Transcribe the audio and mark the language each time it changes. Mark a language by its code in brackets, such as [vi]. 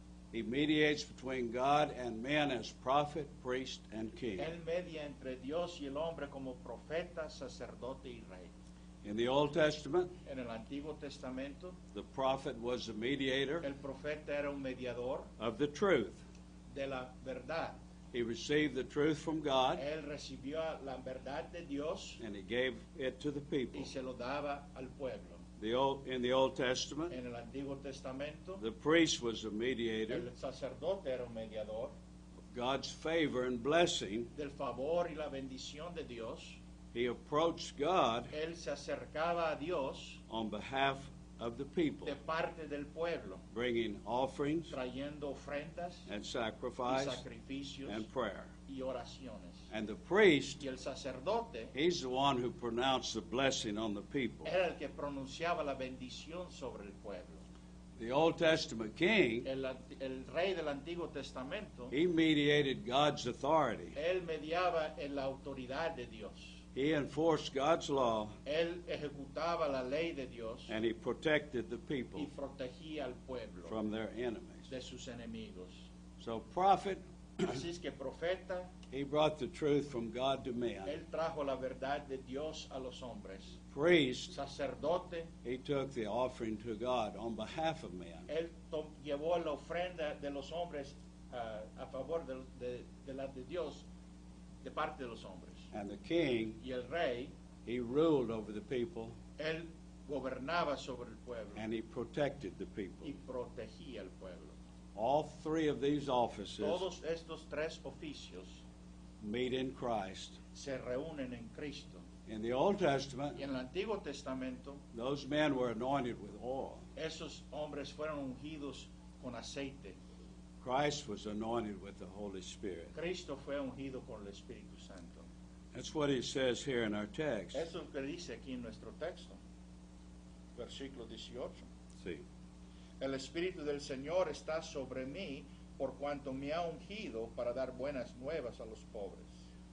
[en] He mediates between God and men as prophet, priest, and king. [es] Él media entre Dios y el hombre como profeta, sacerdote y rey. [en] In the Old Testament, [es] en el Antiguo Testamento, [en] the prophet was a mediator, [es] el profeta era un mediador, [en] of the truth, [es] de la verdad. [en] He received the truth from God, [es] él recibió la verdad de Dios, [en] and he gave it to the people, [es] y se lo daba al pueblo. [en] In the Old Testament, [es] en el Antiguo Testamento, [en] the priest was a mediator, [es] el sacerdote era un mediador, [en] God's favor and blessing, [es] del favor y la bendición de Dios. [en] He approached God, [es] él se acercaba a Dios, [en] on behalf of the people, [es] de parte del pueblo, [en] bringing offerings, [es] trayendo ofrendas, [en] and sacrifice, [es] y sacrificios, [en] and prayer, [es] y oraciones. [en] And the priest, [es] y el sacerdote, [en] he's the one who pronounced the blessing on the people. [es] Era el que pronunciaba la bendición sobre el pueblo. [en] The Old Testament king, [es] el rey del Antiguo Testamento, [en] he mediated God's authority. [es] Él mediaba en la autoridad de Dios. [en] He enforced God's law. [es] Él ejecutaba la ley de Dios. [en] And he protected the people. [es] Y protegía al pueblo. [en] From their enemies. [es] De sus enemigos. [en] So prophet. [es] Así es que profeta. [en] He brought the truth from God to men. [es] Él trajo la verdad de Dios a los hombres. [en] Priest. [es] Sacerdote. [en] He took the offering to God on behalf of men. [es] Él llevó la ofrenda de los hombres a favor de la de Dios, de parte de los hombres. [en] And the king, [es] y el rey, [en] he ruled over the people, [es] él gobernaba sobre el pueblo, [en] and he protected the people. [es] Y protegía al pueblo. [en] All three of these offices, [es] todos estos tres oficios, [en] meet in Christ. [es] Se reúnen en Cristo. [en] In the Old Testament, [es] y en el Antiguo Testamento, [en] those men were anointed with oil. [es] Esos hombres fueron ungidos con aceite. [en] Christ was anointed with the Holy Spirit. [es] Cristo fue ungido con el Espíritu Santo. [en] That's what it says here in our text. [es] Eso es lo que dice aquí en nuestro texto. Versículo 18. Sí. El Espíritu del Señor está sobre mí por cuanto me ha ungido para dar buenas nuevas a los pobres.